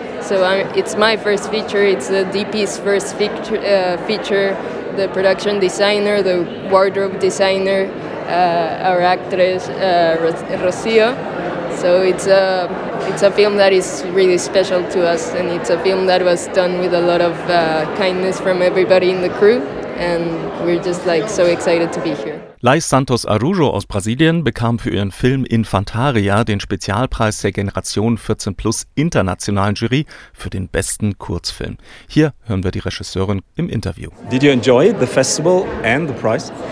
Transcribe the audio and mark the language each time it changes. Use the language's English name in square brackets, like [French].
[English] So it's my first feature, it's the DP's first feature, the production designer, the wardrobe designer, our actress, Rocío. So it's a film that is really special to us, and it's a film that was done with a lot of kindness from everybody in the crew, and we're just like so excited to be here. [German] Lais Santos Arujo aus Brasilien bekam für ihren Film Infantaria den Spezialpreis der Generation 14 Plus internationalen Jury für den besten Kurzfilm. Hier hören wir die Regisseurin im Interview. [English] Did you enjoy the festival and the prize?